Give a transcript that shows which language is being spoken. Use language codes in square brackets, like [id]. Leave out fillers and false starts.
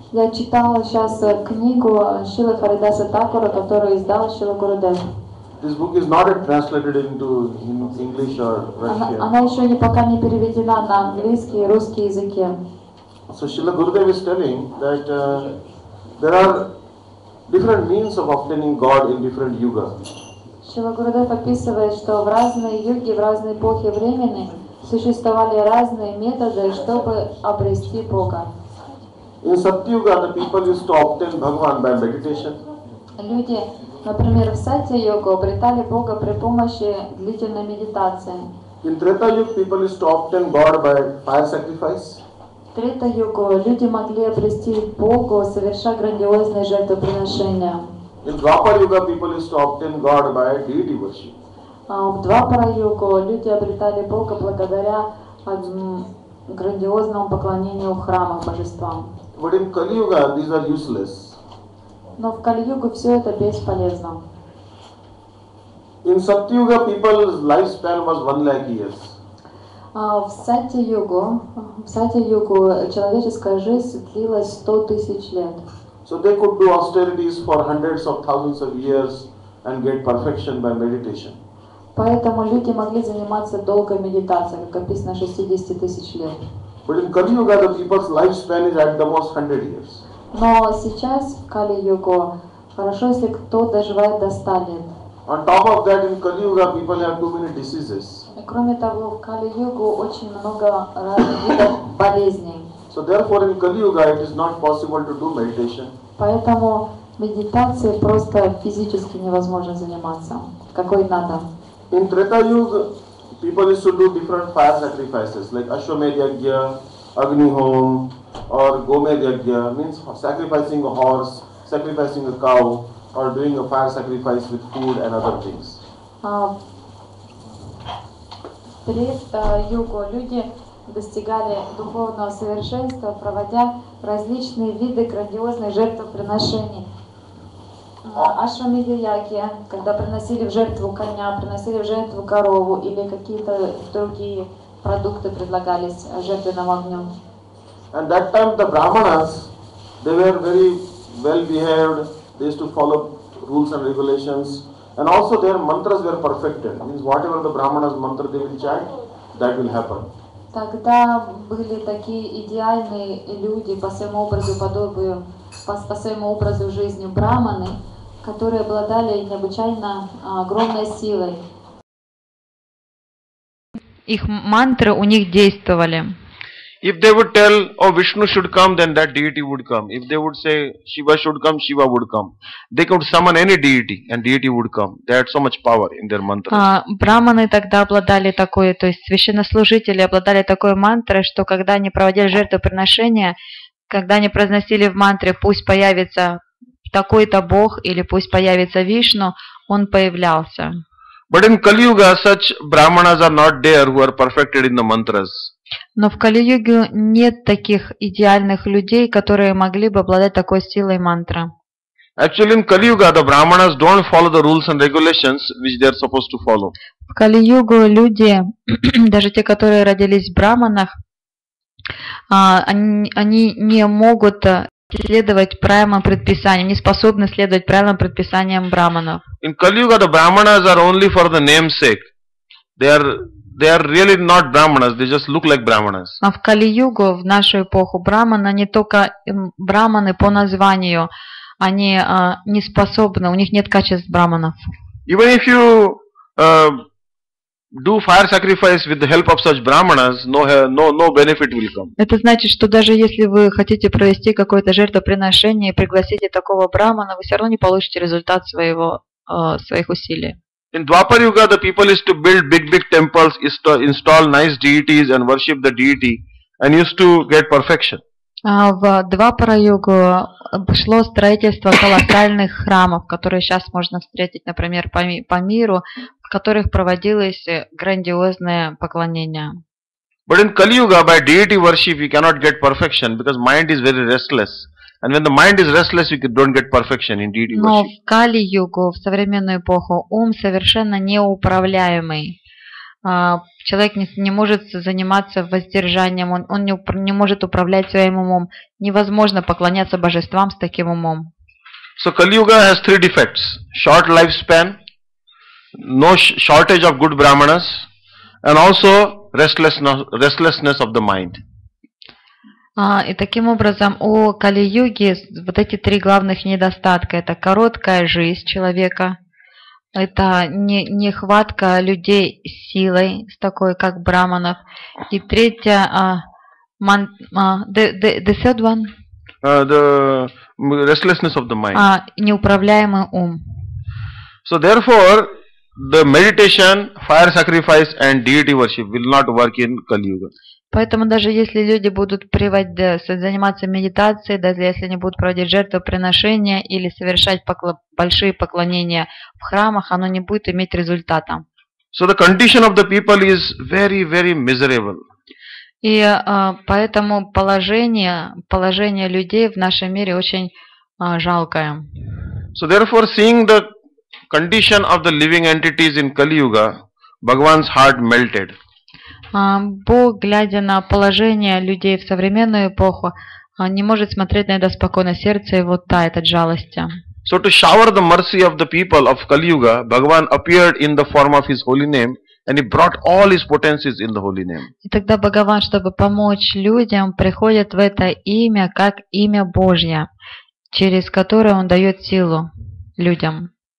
[ru] Я читал сейчас книгу Шрила Харидаса Такура, которую издал Шрила Гурудев. [en] This book is not yet translated into English or Russian. [ru] Она еще не пока не переведена на английский и русский языки. [en] So Srila Gurudev is telling that there are different means of obtaining God in different yuga. [ru] Шрила Гурудев описывает, что в разные юги, в разные эпохи времени существовали разные методы, чтобы обрести Бога. [en] In Satyuga, the people used to obtain Bhagavan by meditation. [ru] Люди, например, в Сатья-йогу обретали Бога при помощи длительной медитации. [en] In Treta-yuga, people used to obtain God by fire sacrifice. [ru] В Трета-йогу люди могли обрести Богу, совершая грандиозные жертвоприношения. [en] In Двапара-йога, people used to obtain God by deity worship. [ru] В Двапара-йогу люди обретали Бога благодаря грандиозному поклонению в храмах божествам. [en] But in Kali-yuga, these are useless. [ru] Но в Кали-югу все это бесполезно. [en] In Satyuga, people's lifespan was 1 lakh years. [ru] В Сатья-югу человеческая жизнь длилась 100 тысяч лет. [en] So they could do austerities for hundreds of thousands of years and get perfection by meditation. [ru] Поэтому люди могли заниматься долгой медитацией, как описано, 60 тысяч лет. [en] But in Kali-yuga, the people's lifespan is at the most 100 years. [ru] Но сейчас в Кали-югу хорошо, если кто доживает до 100 лет. [en] On top of that, in Kali-yuga, people have too many diseases. [ru] И кроме того, в Кали-югу очень много разных видов болезней. [en] So therefore, in Kali-yuga, it is not possible to do meditation. [ru] Поэтому медитацией просто физически невозможно заниматься, какой надо. [en] In Treta-yuga, people used to do different fire sacrifices, like Ashwamedh Yajna, Agni Hom, or Gomedh Yajna, means sacrificing a horse, sacrificing a cow, or doing a fire sacrifice with food and other things. [ru] Treta-yuga, люди достигали духовного совершенства, проводя различные виды грандиозных жертвоприношений. Ашрамиди Яги, когда приносили в жертву коня, приносили в жертву корову или какие-то другие продукты предлагались жертвенным огнем. [en] And that time the brahmanas, they were very well behaved, they used to follow rules and regulations, and also their mantras were perfected. Means whatever the brahmanas mantra they will chant, that will happen. [ru] Тогда были такие идеальные люди по своему образу подобию, по своему образу жизни брахманы, которые обладали необычайно огромной силой. Их мантры у них действовали. [en] If they would tell, oh, Vishnu should come, then that deity would come. If they would say, Shiva should come, Shiva would come. They could summon any deity, and deity would come. They had so much power in their mantras. [ru] Брахманы тогда обладали такой, то есть священнослужители обладали такой мантрой, что когда они проводили жертвоприношения, когда они произносили в мантре, пусть появится такой-то бог, или пусть появится Вишну, он появлялся. [en] But in Kali-yuga, such brahmanas are not there who are perfected in the mantras. [ru] Но в Кали-Юге нет таких идеальных людей, которые могли бы обладать такой силой мантры. [en] Actually, in Kali-Yuga, the brahmanas don't follow the rules and regulations which they are supposed to follow. [ru] В Кали-Югу люди, даже те, которые родились в брахманах, они не могут следовать правилам предписаниям, не способны следовать правилам предписаниям брахманов. [en] In Kali-Yuga, the brahmanas are only for the namesake. They are really not brahmanas. They just look like brahmanas. [ru] А в Кали-Югу, в нашу эпоху, брахманы не только брахманы по названию. Они не способны, у них нет качеств брахманов. [en] Even if you do fire sacrifice with the help of such brahmanas, no benefit will come. [ru] Это значит, что даже если вы хотите провести какое-то жертвоприношение и пригласите такого брахмана, вы все равно не получите результат своих усилий. [en] In Dwapar Yuga, the people is to build big temples, install nice deities and worship the deity, and used to get perfection. [ru] В Двапара-югу шло строительство колоссальных храмов, которые сейчас можно встретить, например, по миру, в которых проводилось грандиозное поклонение. [en] But in Kali-Yuga, by deity worship, you cannot get perfection because mind is very restless. And when the mind is restless, you don't get perfection in deity worship. [ru] Но в Кали-Югу, в современную эпоху, ум совершенно неуправляемый. Человек не может заниматься воздержанием, он не может управлять своим умом. Невозможно поклоняться божествам с таким умом. [en] So Kali-Yuga has three defects: short lifespan, no shortage of good brahmanas, and also restlessness of the mind. [ru] И таким образом, у Кали-Юги вот эти три главных недостатка: это короткая жизнь человека. Это нехватка людей с силой, с такой, как брахманов. И третья, [en] the third one? The restlessness of the mind. [ru] Неуправляемый ум. [en] So therefore, the meditation, fire sacrifice and deity worship will not work in Kali-Yuga. [ru] Поэтому даже если люди будут заниматься медитацией, даже если они будут проводить жертвоприношения или совершать большие поклонения в храмах, оно не будет иметь результата. [en] So the condition of the people is very, very miserable. [ru] И поэтому положение людей в нашем мире очень жалкое. [en] So therefore, seeing the condition of the living entities in Kali-Yuga, Bhagavan's heart melted. [ru] Бог, глядя на положение людей в современную эпоху, не может смотреть на это спокойно. Сердце его тает от жалости. [en] So to shower the mercy of the people of Kali-Yuga, Bhagavan appeared in the form of his holy name, and he brought all his potencies in the holy name. [ru] И тогда Бхагаван, чтобы помочь людям, приходит в это имя, как имя Божье, через которое он дает силу людям.